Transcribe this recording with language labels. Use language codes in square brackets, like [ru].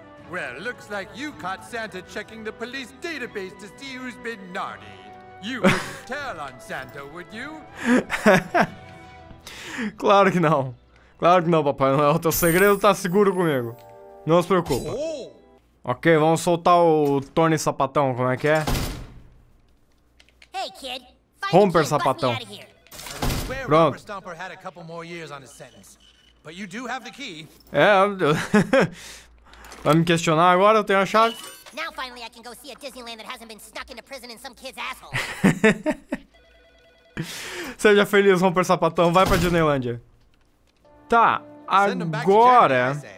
[en] Well, looks like you caught Santa checking the police database to see who's been naughty. You wouldn't tell on Santa, would you? [pt] Claro que não. Claro que não, Papai Noel. Teu segredo tá seguro comigo. Não se preocupa. Oh. Ok, vamos soltar o Tony Sapatão, como é que é? [en] Hey, kid. [pt] Romper Sapatão. Pronto. É, vai me questionar agora? Eu tenho a chave? [en] Now finally I can go see a Disneyland that hasn't been snuck into prison in some kid's asshole. [pt] Seja feliz, Romper Sapatão, vai pra Disneylandia. Tá, agora.